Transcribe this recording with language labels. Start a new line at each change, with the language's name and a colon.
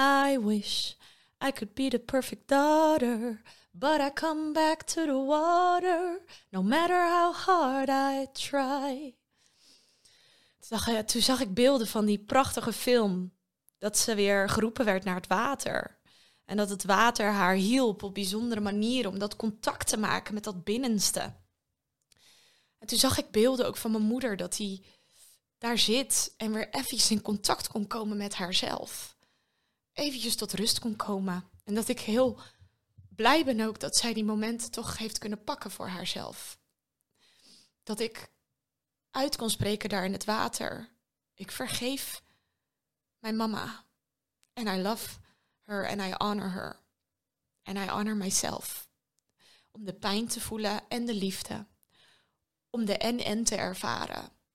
English: I wish I could be the perfect daughter. But I come back to the water, no matter how hard I try.
Dutch: Toen zag ik beelden van die prachtige film. Dat ze weer geroepen werd naar het water. En dat het water haar hielp op bijzondere manieren om dat contact te maken met dat binnenste. En toen zag ik beelden ook van mijn moeder, dat die daar zit en weer even in contact kon komen met haarzelf. Eventjes tot rust kon komen. En dat ik heel blij ben ook dat zij die momenten toch heeft kunnen pakken voor haarzelf. Dat ik uit kon spreken daar in het water. Ik vergeef mijn mama.
English: And I love her and I honor her. And I honor myself.
Dutch: Om de pijn te voelen en de liefde. Om de en-en te ervaren.